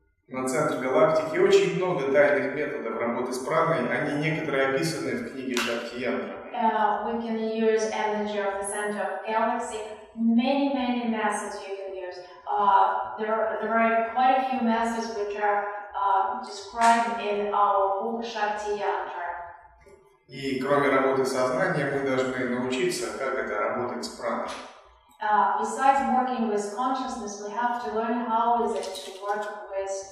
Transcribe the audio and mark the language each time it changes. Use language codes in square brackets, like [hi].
[ru] На центре галактики очень много тайных методов работы с праной, они некоторые описаны в книге Шактиянтра. [en] We can use energy of the center of galaxy. Many, many methods you can use. There are quite a few methods which are described in our book Шактиянтра. [ru] И кроме работы сознания, мы должны научиться, как это работает с праной. [en] Besides working with consciousness, we have to learn how is it to work with